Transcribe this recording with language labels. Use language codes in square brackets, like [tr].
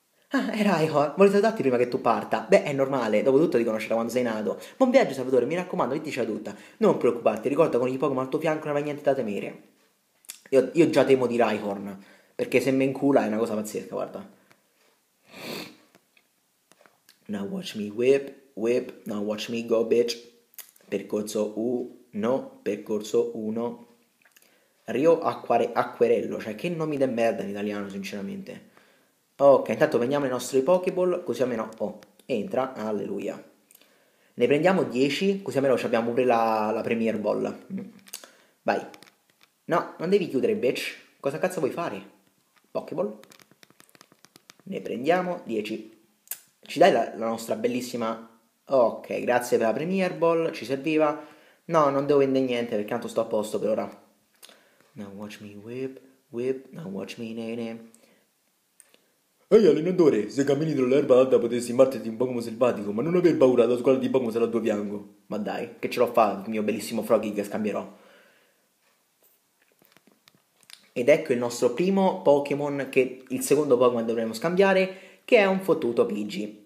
[it] Ah, è Rhyhorn, volevo salutarti prima che tu parta. Beh, è normale, dopo tutto ti conoscerà quando sei nato. Buon viaggio, Salvatore, mi raccomando, dici a tutta. Non preoccuparti, ricorda, con i Pokémon al tuo fianco non avrai niente da temere. Io già temo di Rhyhorn. Perché se mi incula è una cosa pazzesca, guarda. [en] Now watch me whip, whip, now watch me go, bitch. [it] Percorso 1, percorso 1. Rio Acquerello, cioè che nomi de merda in italiano, sinceramente. Ok, intanto prendiamo le nostre Pokéball, così almeno... Oh, entra, alleluia. Ne prendiamo 10, così almeno abbiamo pure la Premier Ball. Vai. No, non devi chiudere, bitch. Cosa cazzo vuoi fare? Pokéball. Ne prendiamo 10. Ci dai la nostra bellissima... Ok, grazie per la Premier Ball, ci serviva. No, non devo vendere niente perché tanto sto a posto per ora. [en] Now watch me whip, whip, now watch me nene. [it] Ehi, hey, allenatore, se cammini tra l'erba alta potresti imbatterti un Pokémon selvatico, ma non aver paura, la squadra di Pokémon sarà a tuo fianco. Ma dai, che ce l'ho fatto, il mio bellissimo Froggy che scambierò. Ed ecco il nostro primo Pokémon, che il secondo Pokémon dovremmo scambiare, che è un fottuto Pidgey.